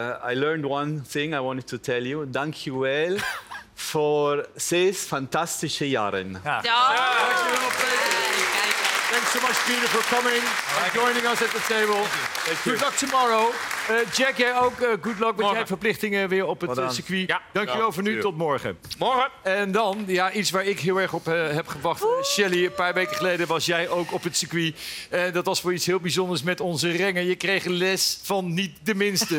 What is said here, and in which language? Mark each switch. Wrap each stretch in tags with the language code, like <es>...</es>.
<en>I learned one thing I wanted to tell you. Thank you well.</en> <nl>Voor zes fantastische jaren.</nl> <en>Thanks so much, Peter, for coming and joining us at the table. Good luck tomorrow.</en> <nl>Jack, jij ook.</nl> <en>Good luck</en> <nl>met jouw verplichtingen weer op het circuit. Ja. Dankjewel voor nu. Tot morgen. Morgen. En dan, iets waar ik heel erg op heb gewacht. Shelley, een paar weken geleden was jij ook op het circuit. Dat was voor iets heel bijzonders met onze rengen. Je kreeg les van niet de minste.</nl>